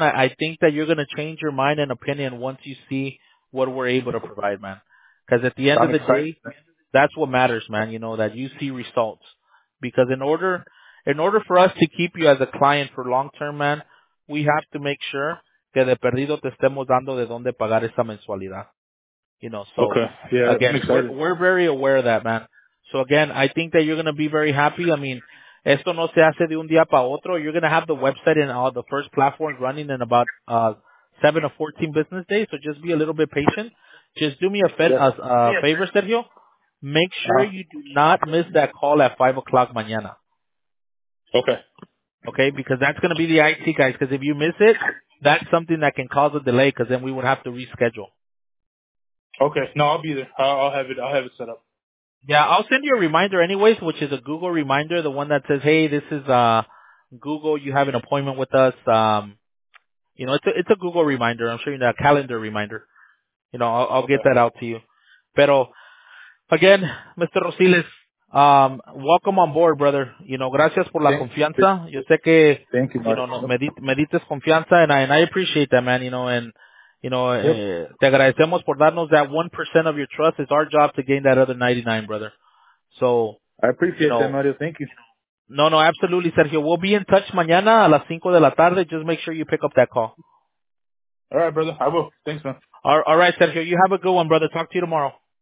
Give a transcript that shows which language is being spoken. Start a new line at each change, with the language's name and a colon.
English: I think that you're going to change your mind and opinion once you see what we're able to provide, man. Because at the end of the day, that's what matters, man, you know, that you see results. Because in order for us to keep you as a client for long term, man, we have to make sure
Spanish: que de perdido te estemos dando de dónde pagar esa mensualidad.
English: You know, so okay. Yeah, again, we're very aware of that, man. So again, I think that you're going to be very happy.
Spanish: I mean, esto no se hace de un día para otro.
English: You're going to have the website and all the first platform running in about 7 to 14 business days. So just be a little bit patient. Just do me a favor, Sergio. Make sure you do not miss that call at 5 o'clock mañana. Okay. Okay, because that's going to be the IT guys. Because if you miss it, that's something that can cause a delay because then we would have to reschedule. Okay. No, I'll be there. I'll have it set up. Yeah, I'll send you a reminder anyways, which is a Google reminder, the one that says, hey, this is Google. You have an appointment with us. You know, it's a Google reminder. I'm sure you know, a calendar reminder. You know, I'll get that out to you. Pero, again, Mr. Rosiles, welcome on board, brother.
Spanish: You know, gracias por la confianza. Yo sé que, me dices
English: confianza, and I appreciate that, man, you know, and... You know, te agradecemos por darnos that 1% of your trust. It's our job to gain that other 99, brother. So I appreciate that, Mario. Thank you. No, absolutely, Sergio.
Spanish: We'll be in touch mañana a las 5 de la tarde.
English: Just make sure you pick up that call. All right, brother. I will. Thanks, man. All right, Sergio. You have a good one, brother. Talk to you tomorrow.